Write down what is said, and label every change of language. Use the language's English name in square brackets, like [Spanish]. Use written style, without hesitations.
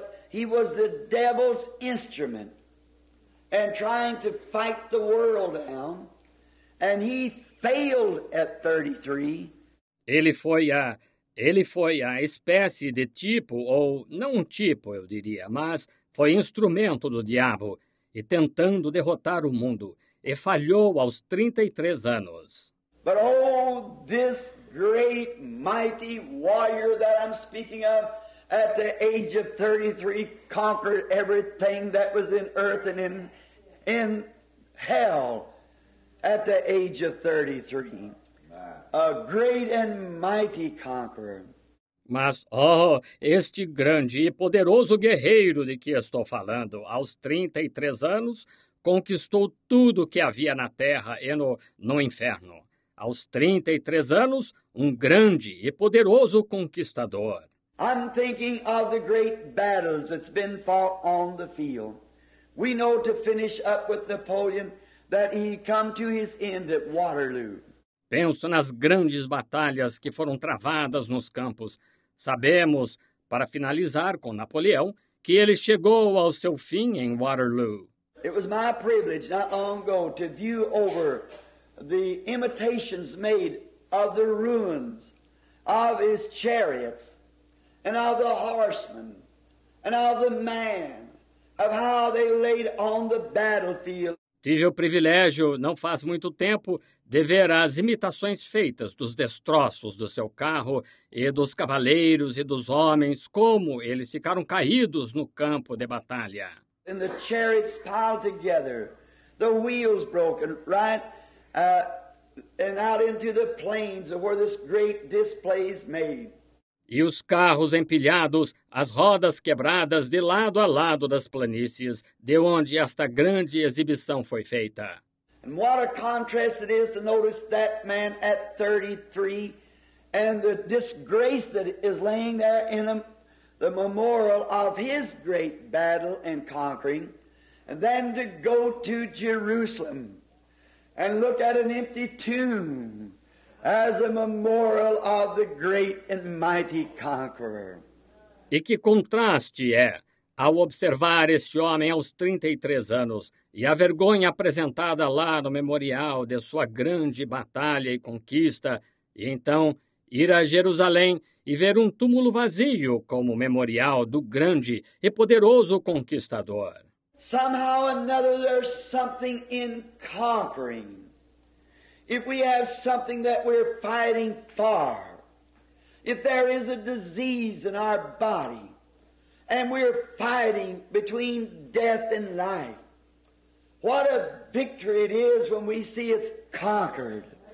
[English] He was the devil's instrument and trying to fight the world down, and he failed at 33. [Portuguese] Ele foi a espécie de tipo, ou não um tipo, eu diria, mas foi instrumento do diabo e tentando derrotar o mundo. E falhou aos 33 anos. [English] But oh, this great, mighty warrior that I'm speaking of, at the age of 33, conquered everything that was in earth and in hell at the age of 33. A great and mighty conqueror. [Portuguese] Mas, oh, este grande e poderoso guerreiro de que estou falando, aos 33 anos, conquistou tudo o que havia na terra e no inferno. Aos 33 anos, um grande e poderoso conquistador. [English] I'm thinking of the great battles that's been fought on the field. We know to finish up with Napoleon that he come to his end at Waterloo. [Portuguese] Penso nas grandes batalhas que foram travadas nos campos. Sabemos, para finalizar com Napoleão, que ele chegou ao seu fim em Waterloo. [English] It was my privilege not long ago to view over the imitations made of the ruins of his chariots and of the horsemen and of the man, of how they laid on the battlefield. [Portuguese] Tive o privilégio, não faz muito tempo, de ver as imitações feitas dos destroços do seu carro e dos cavaleiros e dos homens, como eles ficaram caídos no campo de batalha. [English] And the chariots piled together, the wheels broken, right? And out into the plains of where this great display is made. [Portuguese] E os carros empilhados, as rodas quebradas de lado a lado das planícies, de onde esta grande exibição foi feita. [English] And what a contrast it is to notice that man at 33 and the disgrace that is laying there in him, the memorial of his great battle and conquering, and then to go to Jerusalem and look at an empty tomb as a memorial of the great and mighty conqueror. [Portuguese] E que contraste é ao observar este homem aos 33 anos e a vergonha apresentada lá no memorial de sua grande batalha e conquista, e então ir a Jerusalém e ver um túmulo vazio como memorial do grande e poderoso conquistador. [English] Somehow or another, there's something in conquering. If we have something that we're fighting for, if there is a disease in our body, and we're fighting between death and life, what a victory it is when we see it's conquered.